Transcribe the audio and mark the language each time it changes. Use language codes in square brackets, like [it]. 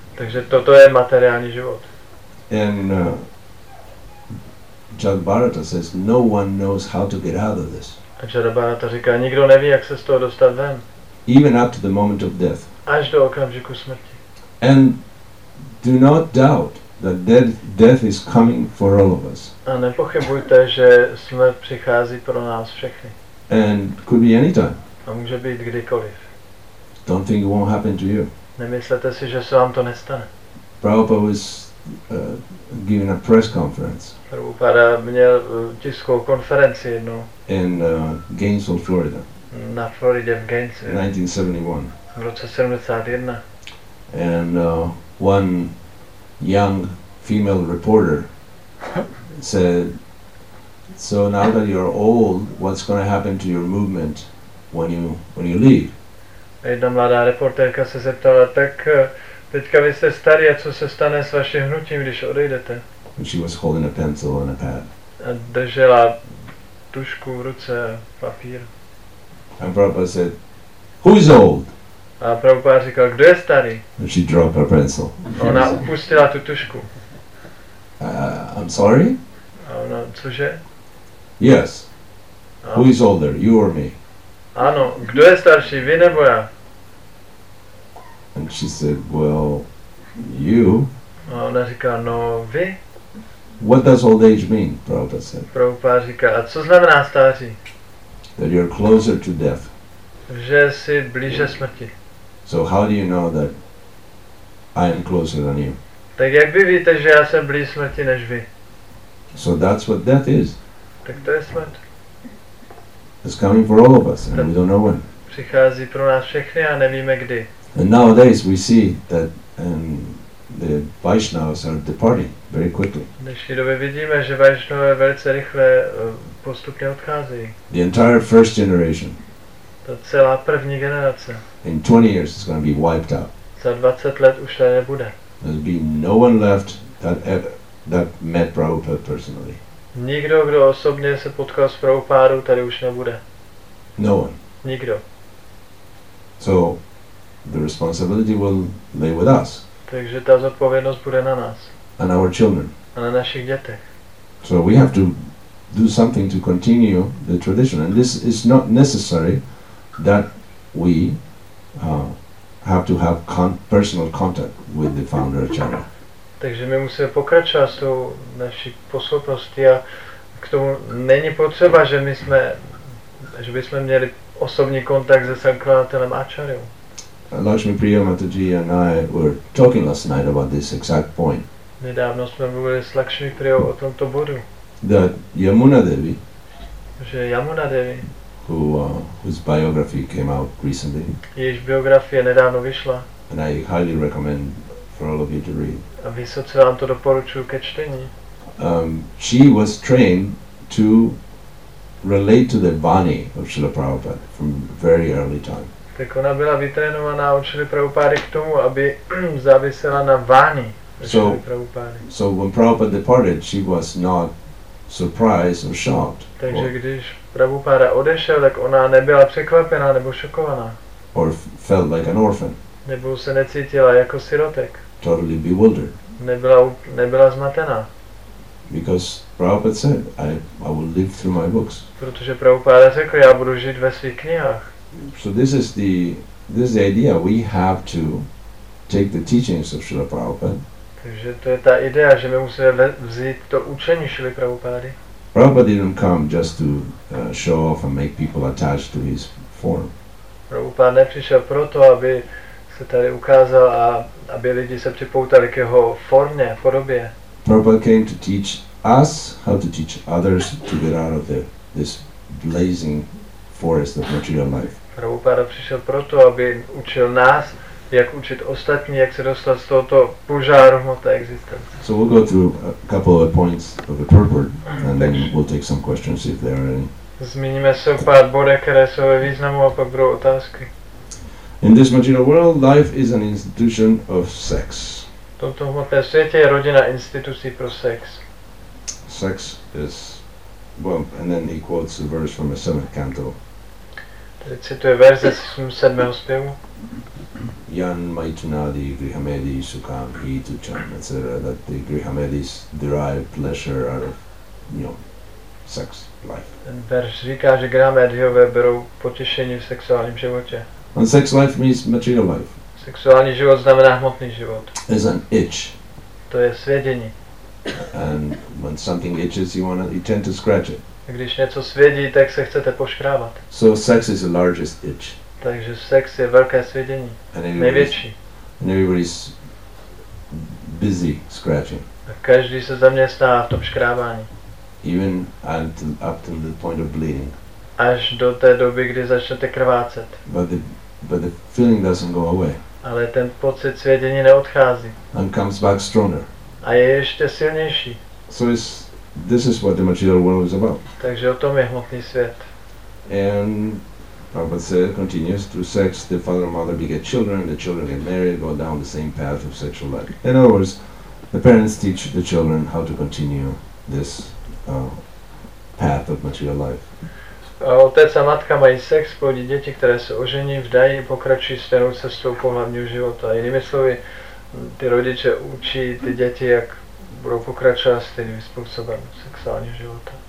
[cs] Takže toto je materiální život. [en] And Jagbharata says no one knows how to get out of this. [cs] A Jagbharata říká, nikdo neví, jak se z toho dostat ven. [en] Even up to the moment of death. [cs] Až do okamžiku smrti. [en] And do not doubt that death is coming for all of us. [cs] A nepochybujte, že smrt přichází pro nás všechny. [en] And could be anytime. [cs] A může být kdykoliv. [en] Don't think it won't happen to you. [cs] Nemyslete si, že se vám to nestane. [en] Prabhupada was giving a press conference. [cs] Prabhupada měl tiskovou konferenci jednou. [en] In Gainesville, Florida. [cs] Na Floridě v Gainesville. [en] 1971. [cs] V roce 71. [en] And one young female reporter said, so now that you're old, what's going to happen to your movement when you leave? [cs] Jedna mladá reportérka se zeptala, tak teďka vy jste starý, a co se stane s vaším hnutím, když odejdete? [en] And she was holding a pencil and a pad. [cs] A držela tušku v ruce a papír. [en] And Prabhupada said, who is old? [cs] A Prabhupada říkal, kdo je starý? [en] And she dropped her pencil. [cs] Ona upustila tu tušku. [en] I'm sorry? [cs] A ona, cože? [en] Yes. Who is older, you or me? [cs] Ano, kdo je starší, vy nebo já? [en] And she said, well, you. [cs] A ona říká, no vy. [en] What does old age mean, Prabhupada said. [cs] Prabhupada říká, a co znamená stáří? [en] That you're closer to death. [cs] Že jsi blíže smrti. [en] So how do you know that I am closer than you? [cs] Tak jak vy víte, že já jsem blíž smrti než vy? [en] So that's what death is. [cs] Tak to je smrt. [en] It's coming for all of us, and we don't know when. [cs] Přichází pro nás všechny a nevíme kdy. [en] And nowadays we see that the Vaishnavas are departing very quickly. [cs] V dnešní době vidíme, že Vaishnavové velice rychle postupně odcházejí. [en] The entire first generation. [cs] Ta celá první generace. [en] In 20 years it's going to be wiped out. [cs] Za 20 let už to nebude. [en] There'll be no one left that ever that met Prabhupada personally. [cs] Nikdo, kdo osobně se potkal s Prabhupádou, tady už nebude. [en] No one. [cs] Nikdo. [en] So the responsibility will lay with us. [cs] Takže ta zodpovědnost bude na nás. [en] And our children. [cs] A na našich dětech. [en] So we have to do something to continue the tradition, and this is not necessary that we have to have personal contact with the founder acharya. [cs] Takže my musíme pokračovat s tou naší posloupností a k tomu není potřeba, že my jsme, že bychom měli osobní kontakt se sankhládatelem Acharyou. [en] Lakshmi Priya Mataji and I were talking last night about this exact point. [cs] Nedávno jsme mluvili s Lakshmi Priyou o tomto bodu. [en] That Yamuna Devi, [cs] že Yamuna Devi, [en] whose biography came out recently, [cs] jejíž biografie nedávno vyšla, [en] and I highly recommend for all of you to read. [cs] A vysoce vám to doporučuji ke čtení. [en] She was trained to relate to the Vani of Srila Prabhupada from very early time. [cs] Tak ona byla vytrénovaná od Srila Prabhupády k tomu, aby závisela na Vani Srila Prabhupády. [en] So when Prabhupada departed, she was not surprised or shocked. [cs] Takže když Prabhupáda odešel, tak ona nebyla překvapená nebo šokovaná. [en] Or felt like an orphan. [cs] Nebo se necítila jako sirotek. [en] Totally bewildered. [cs] Nebyla zmatená. [en] Because Prabhupada said, I will live through my books. [cs] Protože Prabhupada řekl, já budu žít ve svých knihách. [en] So this is the idea. We have to take the teachings of Srila Prabhupada. [cs] Takže to je ta idea, že my musíme vzít to učení Srila Prabhupady. [en] Prabhupada didn't come just to show off and make people attached to his form. [cs] Prabhupada nepřišel proto, aby se tady ukázal a aby lidi se připoutali k jeho formě, podobě. [en] Prabhupada came to teach us how to teach others to get out of this blazing forest of material life. [cs] Prabhupada přišel proto, aby učil nás, jak učit ostatní, jak se dostat z tohoto požáru hmoty existence. [en] So we'll go through a couple of points of the purport and then we'll take some questions if there are any. [cs] Zmíníme se o pár bodech, které jsou ve významu, a pak budou otázky. [en] In this material world, life is an institution of sex. [cs] V tomto hmotném světě je rodina institucí pro sex. [en] Sex is, well, and then he quotes a verse from the seventh canto. [cs] Tady cituje verze z sedmého zpěvu. [sa] Yan maitunadi grihamedi sukam hi tucham, etc. [en] That the grihamedis derive pleasure out of, you know, sex life. [cs] Ten verš říká, že grihamediové berou potěšení v sexuálním životě. [en] And sex life means material life. [cs] Sexuální život znamená hmotný život. [en] It's an itch. [cs] To je svědění. [en] And when something itches, you tend to scratch it. [cs] A když něco svědí, tak se chcete poškrábat. [en] So sex is the largest itch. [cs] Takže sex je velké svědění. Největší. [en] And everybody's busy scratching. [cs] A každý se zaměstná v tom škrábání. [en] Even up to the point of bleeding. [cs] Až do té doby, kdy začnete krvácet. [en] But the feeling doesn't go away. [cs] Ale ten pocit svědění neodchází. [en] And comes back stronger. [cs] A je ještě silnější. [en] So this is what the material world is about. [cs] Takže o tom je hmotný svět. [en] And Prabhupada said, continues, through sex, the father and mother beget children, the children get married, go down the same path of sexual life. In other words, the parents teach the children how to continue this path of material life. [cs] A otec a matka mají sex, plodí děti, které se ožení, vdají, pokračují stejnou cestou pohlavního života. Jinými slovy, ty rodiče učí ty děti, jak budou pokračovat stejným způsobem sexuálního života.